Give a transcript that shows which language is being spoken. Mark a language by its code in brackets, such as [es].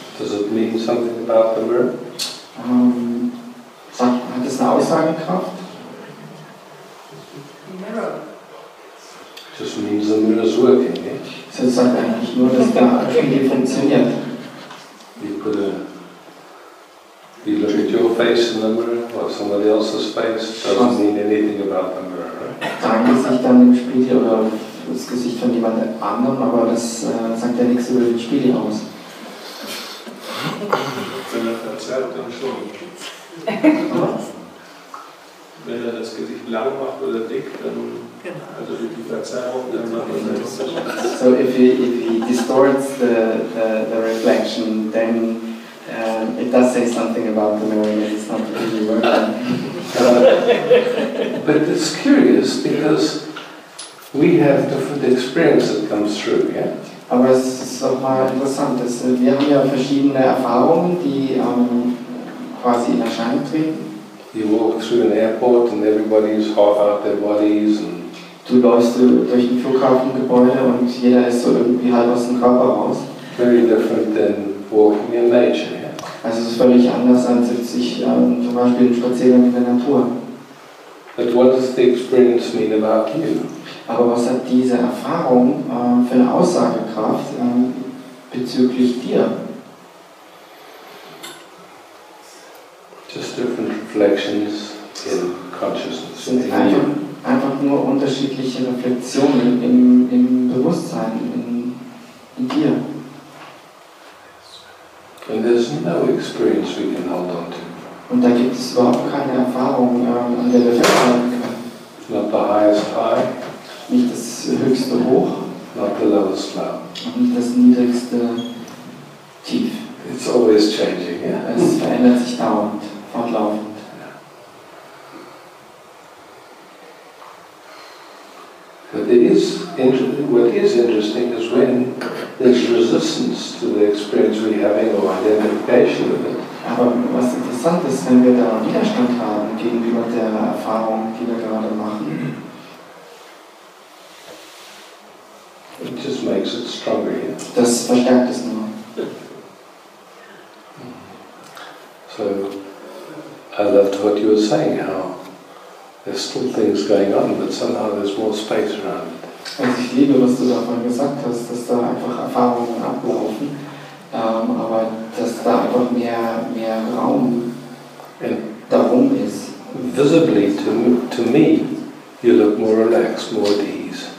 [en] Does it mean something about the mirror? [de] Hat es eine Aussagekraft? [en] Just means the mirror's working, eh? [de] Das sagt eigentlich nur, dass der Spiegel funktioniert. [en] You look at your face in the mirror or somebody else's face, doesn't mean anything about the mirror, right? [de] Dein Gesicht dann im Spiegel oder das Gesicht von jemand anderem, aber das sagt ja nichts über den Spiegel aus. Wenn er verzerrt, dann schon. Wenn er das Gesicht lang macht oder dick, dann. [en] So if he distorts the reflection, then it does say something about the mirror, and it's not really working. But it's curious because we have different experience that comes through, yeah. [de] Aber es ist auch mal interessant, dass wir haben ja verschiedene Erfahrungen, die quasi in Erscheinung treten. [en] You walk through an airport and everybody's half out their bodies and. [de] Du läufst durch ein Flughafengebäude und jeder ist so irgendwie halb aus dem Körper raus. [en] Very different than walking in nature, yeah. [de] Also es ist völlig anders als sich zum Beispiel einen Spaziergang in der Natur. [en] But what does the experience mean about you? [de] Aber was hat diese Erfahrung für eine Aussagekraft bezüglich dir? [en] Just different reflections in consciousness. [de] Einfach nur unterschiedliche Reflexionen im Bewusstsein, in dir. [en] And there's no experience we can hold on to. [de] Und da gibt es überhaupt keine Erfahrung, an der wir festhalten können. [en] Not the highest high. [de] Nicht das höchste Hoch. [en] Not the lowest low. [de] Und nicht das niedrigste Tief. [en] It's always changing, yeah. [de] Es verändert sich dauernd, fortlaufend. [en] But it is interesting, what is interesting is when there's resistance to the experience we're having or identification with it. [de] Aber was interessant ist, wenn wir da einen Widerstand haben gegenüber der Erfahrung, die wir gerade machen. [en] It just makes it stronger, yeah? [de] Das verstärkt es nur. [en] So, I loved what you were saying, how? There's still things going on, but somehow there's more space around it. [de] Also ich liebe, was du davon gesagt hast, dass da einfach Erfahrungen ablaufen, aber dass da einfach mehr Raum darum ist. [en] Visibly to me, you look more relaxed, more at ease.